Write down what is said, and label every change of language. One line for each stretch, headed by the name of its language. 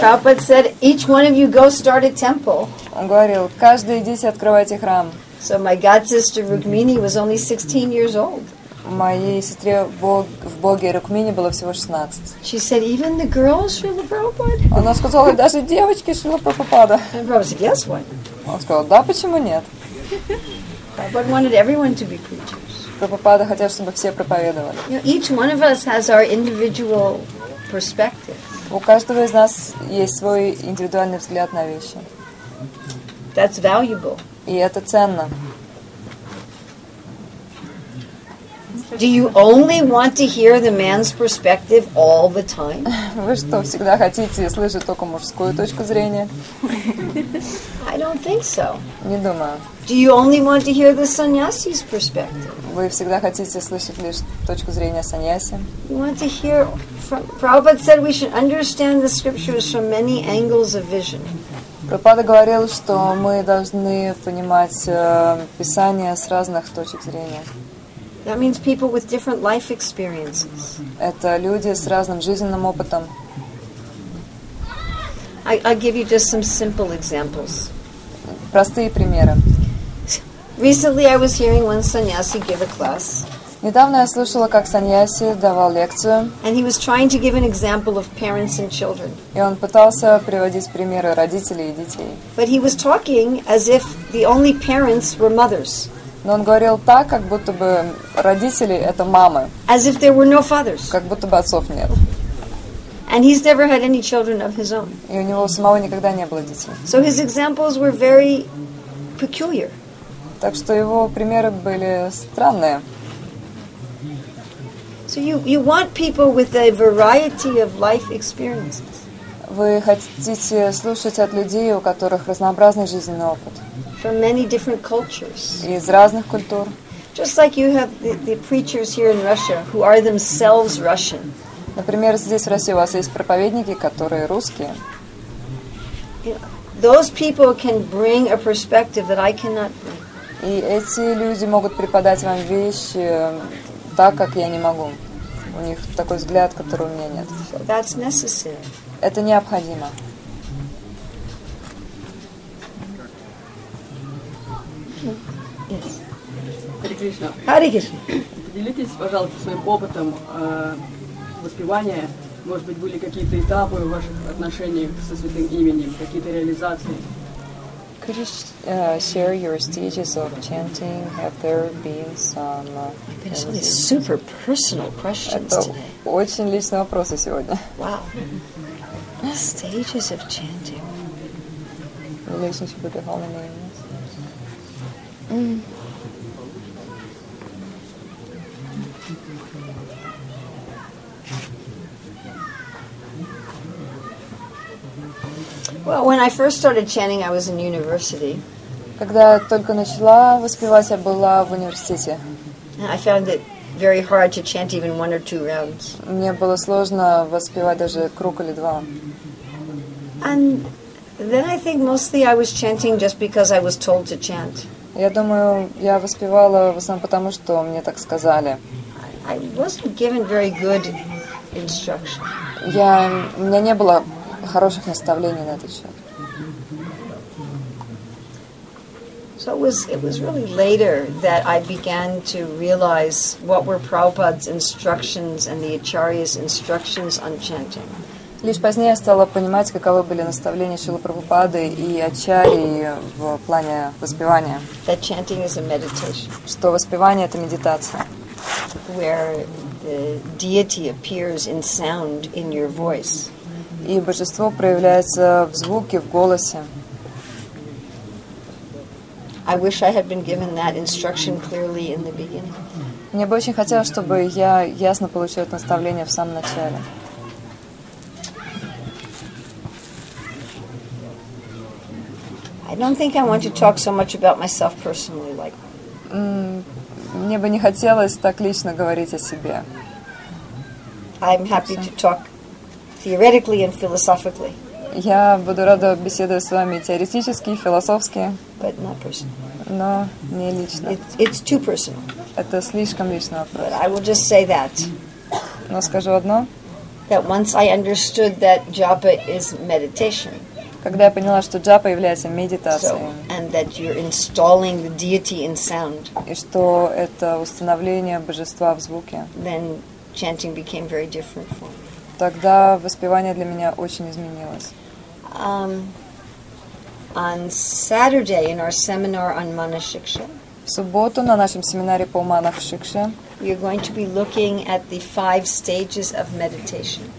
English: Prabhupada said, each one of you go start a temple.
Russian: Он говорил, каждый идите, открывайте храм.
English: So my god sister Rukmini was only 16 years old.
Russian: Моей сестре в Боге Рукмини было всего 16.
English: She said, even the girls Srila Prabhupada?
Russian: Она сказала, даже девочки Srila Prabhupada.
English: And Prabhupada said, yes, why?
Russian: Он сказал, да, почему нет?
English: Prabhupada wanted everyone to be preachers.
Russian: Прабхупада хотел, чтобы все проповедовали.
English: You know, each one of us has our individual perspective.
Russian: У каждого из нас есть свой индивидуальный взгляд на вещи.
English: That's valuable.
Russian: И это ценно.
English: Do you only want to hear the man's perspective all the time?
Russian: Вы что, всегда хотите слышать только мужскую точку зрения?
English: I don't think so.
Russian: Не думаю.
English: Do you only want to hear the sannyasi's perspective?
Russian: Вы всегда хотите слышать лишь точку зрения саньяси?
English: You want to hear from... Prabhupada said we should understand the scriptures from many angles of vision.
Russian: Прабхупада говорил, что мы должны понимать писание с разных точек зрения.
English: That means people with different life experiences.
Russian: Это люди с разным жизненным опытом.
English: I'll give you just some simple examples.
Russian: Простые примеры.
English: Recently I was hearing one sannyasi give a class.
Russian: Недавно я слышала, как саньяси давал лекцию.
English: And he was trying to give an example of parents and children.
Russian: И он пытался приводить примеры родителей и детей.
English: But he was talking as if the only parents were mothers.
Russian: Но он говорил так, как будто бы родители — это мамы.
English: As if there were no fathers.
Russian: Как будто бы отцов нет.
English: And he's never had any children of his own.
Russian: И у него самого никогда не было детей.
English: So his examples were very peculiar.
Russian: Так что его примеры были странные.
English: So you want people with a variety of life experiences.
Russian: Вы хотите слушать от людей, у которых разнообразный жизненный опыт.
English: From many different cultures.
Russian: Из разных культур.
English: Just like you have the preachers here in Russia who are themselves Russian.
Russian: Например, здесь в России у вас есть проповедники, которые русские.
English: Those people can bring a perspective that I cannot bring.
Russian: И эти люди могут преподать вам вещи так, как я не могу. У них такой взгляд, который у меня нет. So that's necessary. Это необходимо. Хари Кришна. Хари Кришна. Поделитесь, пожалуйста, своим опытом воспевания. Может быть, были какие-то этапы в ваших отношениях со святым именем, какие-то реализации?
English: Could you share your stages of chanting? Have there been some... Especially super personal questions
Russian: Это
English: today.
Russian: Очень личные вопросы сегодня.
English: Wow. Stages of chanting. Relationship with the Holy Name. Well, when I first started chanting, I was in university.
Russian: Когда я только начала воспевать, я была в университете.
English: I found it very hard to chant even one or two rounds.
Russian: Мне было сложно воспевать даже круг или два.
English: And then I think mostly I was chanting just because I was told to chant.
Russian: Я думаю, я воспевала в основном потому, что мне так сказали.
English: I wasn't given very good instruction.
Russian: У меня не было хороших наставлений на этот счет.
English: So it was really later that I began to realize what were Prabhupada's instructions and the Acharya's instructions on chanting.
Russian: Лишь позднее я стала понимать, каковы были наставления Шрилы Прабхупады и Ачарьи в плане воспевания.
English: That chanting is a meditation.
Russian: Что воспевание — это медитация.
English: Where the deity appears in sound in your voice.
Russian: И божество проявляется в звуке, в голосе.
English: I wish I had been given that instruction clearly in the beginning.
Russian: Мне бы очень хотелось, чтобы я ясно получил это наставление в самом начале.
English: I don't think I want to talk so much about myself personally, like.
Russian: Мне бы не хотелось так лично говорить о себе.
English: I'm happy to talk theoretically and philosophically.
Russian: Я буду рада беседовать с вами теоретически и философски.
English: But not personally.
Russian: Но не лично.
English: It's too personal.
Russian: Это слишком личный вопрос.
English: But I will just say that.
Russian: Но скажу одно.
English: That once I understood that japa is meditation.
Russian: Когда я поняла, что джапа является медитацией.
English: So, and that you're installing the deity in sound.
Russian: И что это установление божества в звуке.
English: Then chanting became very different for me.
Russian: Тогда воспевание для меня очень изменилось.
English: On Saturday in our seminar on Manasikshe.
Russian: В субботу на нашем семинаре по Манасикше.
English: We're going to be looking at the five stages of meditation.